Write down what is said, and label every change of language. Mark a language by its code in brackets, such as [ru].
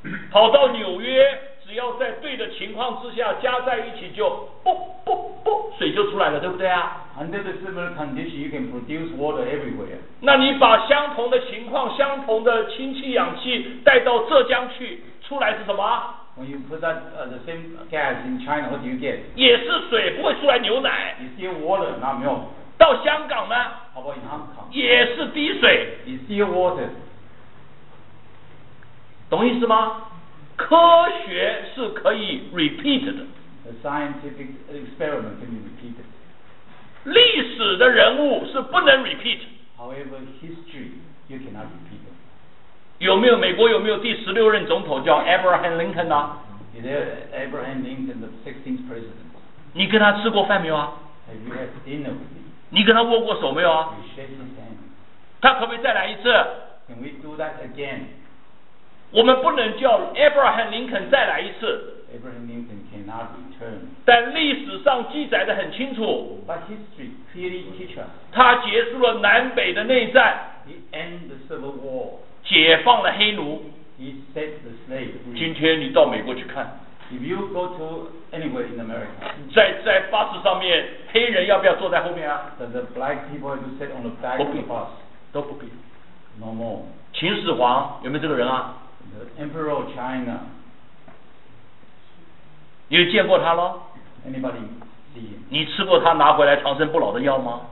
[zh] 跑到纽约，只要在对的情况之下加在一起，就啵啵啵，水就出来了，对不对啊？ [en] Under the similar condition, you can produce water everywhere. [zh] 那你把相同的情况、相同的氢气、氧气带到浙江去，出来是什么？ [en] When you put that the same gas in China, what do you get? [zh] 也是水，不会出来牛奶。 [en] It's still water, not milk. [zh] 到香港呢？ [en] How about in Hong Kong? [zh] 也是滴水。 [en] It's still water. [zh] 懂意思吗？科学是可以 [en] repeat [zh] 的。 [en] A scientific experiment can be repeated. [zh] 历史的人物是不能 [en] repeat。 However, history you cannot repeat. [zh] 有没有美国有没有第十六任总统叫 Abraham Lincoln 呢？ [en] Is there Abraham Lincoln the 16th president? [zh] 你跟他吃过饭没有啊？ [en] Have you had dinner with him? [zh] 你跟他握过手没有啊？ [en] You shake his hand. [zh] 他可不可以再来一次？ [en] Can we do that again? [zh] 我们不能叫 Abraham Lincoln 再来一次。 [en] Abraham Lincoln cannot return. [zh] 但历史上记载得很清楚。 [en] But history clearly teaches. [zh] 他结束了南北的内战。 [en] He ended the Civil War. [zh] 解放了黑奴。 [en] He set the slave free. [zh] 今天你到美国去看。 [en] If you go to anywhere in America. [zh] 在巴士上面，黑人要不要坐在后面啊？ [en] The black people who sit on the back of the bus. [zh] 都不必。 [en] No more. [zh] 秦始皇有没有这个人啊？ [en] The Emperor of China. [zh] 你见过他了？ [en] Anybody see him? [zh] 你吃过他拿回来长生不老的药吗？